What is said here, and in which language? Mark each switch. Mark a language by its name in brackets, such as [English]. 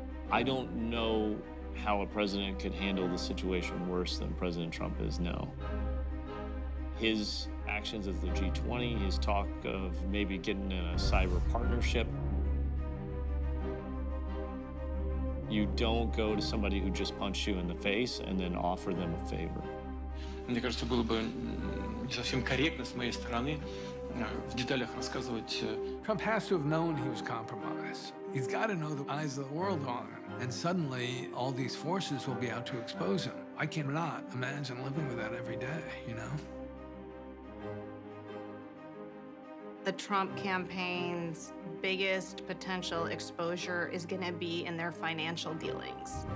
[English] I don't know how a president could handle the situation worse than President Trump is now. His actions at the G20, his talk of maybe getting in a cyber partnership. You don't go to somebody who just punched you in the face and then offer them a favor. [Russian] Мне кажется, было бы не совсем корректно с моей стороны в деталях рассказывать. [English] Trump has to have known he was compromised. He's got to know the eyes of the world on him. And suddenly, all these forces will be out to expose him. I cannot imagine living with that every day, you know? The Trump campaign's biggest potential exposure is going to be in their financial dealings.